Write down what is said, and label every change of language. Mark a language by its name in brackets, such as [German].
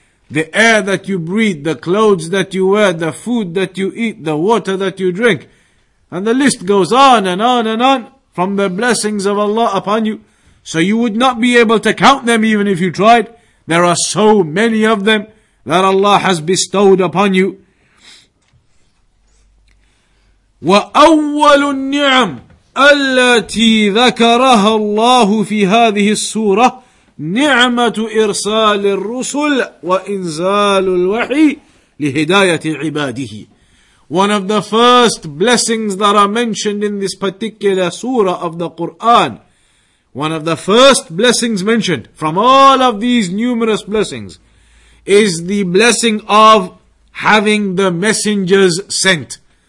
[English] The air that you breathe, the clothes that you wear, the food that you eat, the water that you drink. And the list goes on and on and on from the blessings of Allah upon you. So you would not be able to count them even if you tried. There are so many of them that Allah has bestowed upon you. [Arabic] وَأَوَّلُ النِّعْمِ الَّتِي ذَكَرَهَا اللَّهُ فِي هَذِهِ السُّورَةِ نعمة إرسال الرسل وإنزال الوحي لهداية عباده. [English] One of the first blessings that are mentioned in this particular surah of the Quran, one of the first blessings mentioned from all of these numerous blessings, is the blessing of having the messengers sent.